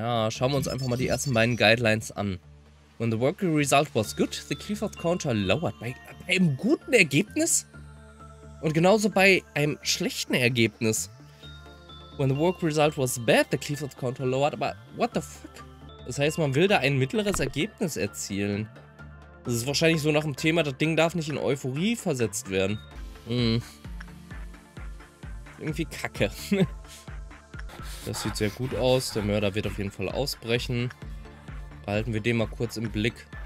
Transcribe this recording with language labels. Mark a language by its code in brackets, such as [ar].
[de] Schauen wir uns einfach mal die ersten beiden Guidelines an. [en] When the work result was good, the Clifford Counter lowered. [de] Bei einem guten Ergebnis? Und genauso bei einem schlechten Ergebnis. [en] When the work result was bad, the Clifford Counter lowered. Aber what the fuck? [de] Das heißt, man will da ein mittleres Ergebnis erzielen. Das ist wahrscheinlich so nach dem Thema, das Ding darf nicht in Euphorie versetzt werden. Irgendwie kacke. Das sieht sehr gut aus. Der Mörder wird auf jeden Fall ausbrechen. Behalten wir den mal kurz im Blick.